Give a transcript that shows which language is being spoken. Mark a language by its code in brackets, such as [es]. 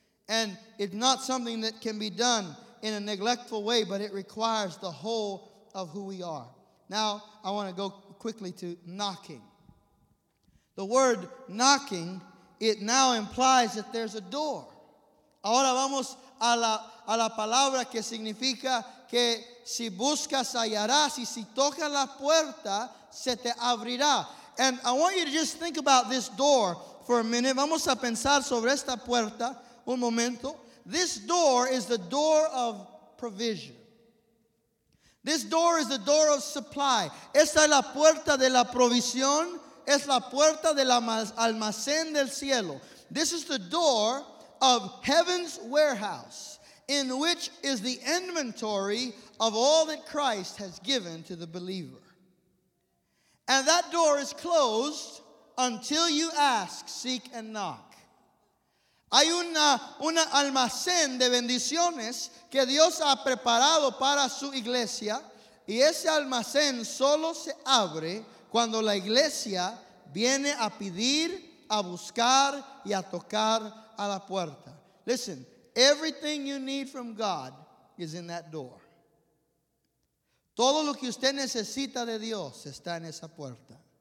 [en] And it's not something that can be done in a neglectful way, but it requires the whole of who we are. Now, I want to go quickly to knocking. The word knocking, it now implies that there's a door. [es] Ahora vamos a la palabra que significa que si buscas hallarás y si tocas la puerta, se te abrirá. [en] And I want you to just think about this door for a minute. [es] Vamos a pensar sobre esta puerta un momento. [en] This door is the door of provision. This door is the door of supply. [es] Esta es la puerta de la provisión. Es la puerta del almacén del cielo. [en] This is the door of heaven's warehouse, in which is the inventory of all that Christ has given to the believer. And that door is closed until you ask, seek, and knock. [es] Hay una almacén de bendiciones que Dios ha preparado para su iglesia, y ese almacén solo se abre cuando la iglesia viene a pedir, a buscar, y a tocar a la puerta. [en] Listen, everything you need from God is in that door. [es] Todo lo que usted necesita de Dios está en esa puerta.